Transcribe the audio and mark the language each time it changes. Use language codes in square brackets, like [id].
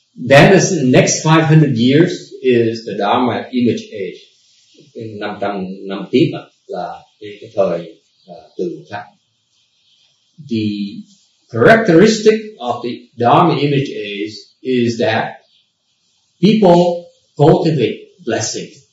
[en] Then the next 500 years is the Dharma image age. [vi] 500 năm tiếp là cái thời tự pháp. [en] the characteristic of the Dharma image is that people cultivate blessings.